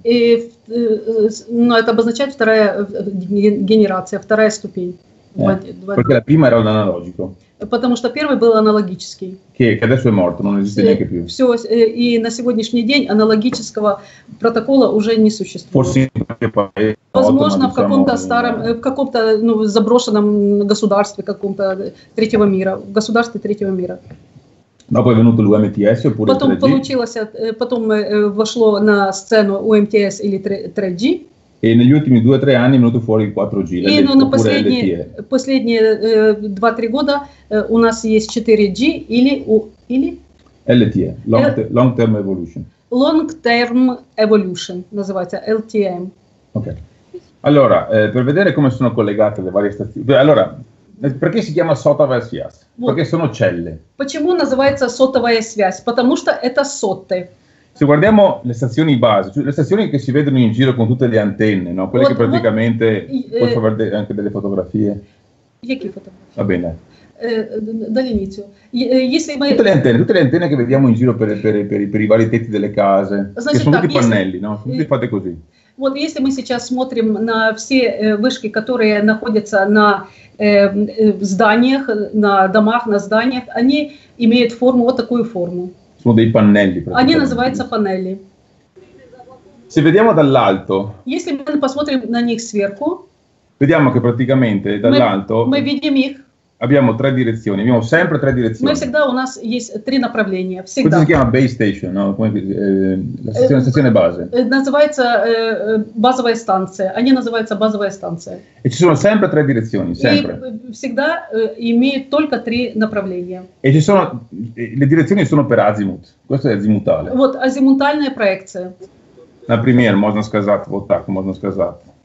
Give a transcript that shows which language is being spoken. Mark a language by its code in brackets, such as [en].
[ru] E, no, это обозначает вторая генерация, вторая ступень. [it] Perché la prima era analogico. [ru] Потому что первый был аналогический. [it] Che adesso è morto, non esiste neanche più. [ru] Все, и на сегодняшний день аналогического протокола уже не существует. Возможно, в каком-то старом, в каком-то заброшенном государстве, каком-то третьего мира, в государстве третьего мира. [it] Dopo è venuto l'UMTS oppure 3G. [ru] Потом вошло на сцену UMTS или 3G. И на ультими 2-3 ани многу фори 4 джи. И на последние 2-3 года у нас есть 4G или [en] LTE, long term evolution. [ru] Long term evolution называется LTE. Okay. [it] Allora, per vedere come sono collegate le varie stazioni. Allora, perché si chiama сотовая связь? Perché sono celle. [ru] Почему называется сотовая связь? Потому что это соты. [it] Se guardiamo le stazioni base, cioè le stazioni che si vedono in giro con tutte le antenne, no? Quelle che praticamente puoi far vedere anche delle fotografie. [uk] Які фотографії? [it] Va bene. Dall'inizio. Tutte le antenne, che vediamo in giro per i vari tetti delle case, значит, che sono tutti pannelli, no? Tutti fate così. [ru] Вот если мы сейчас смотрим на все вышки, которые находятся на зданиях, на домах, на зданиях, они имеют форму, вот такую форму. [it] Sono dei pannelli. [ru] Они называются панели. [it] Se vediamo dall'alto. [ru] Если мы посмотрим на них сверху. [it] Vediamo che praticamente dall'alto. [ru] Мы видим их. [it] Abbiamo tre direzioni, abbiamo sempre tre direzioni. [ru] Мы всегда у нас есть три направления, всегда. [it] Questo si chiama base station, no? Come, la stazione base. [ru] Называется базовая станция. Они называются базовая станция. [it] E ci sono sempre tre direzioni, sempre. [ru] И всегда имеют только три направления. [it] E ci sono le direzioni sono per azimut. Questo è azimutale. [ru] Вот азимутальная проекция. Например, можно сказать вот так, можно сказать.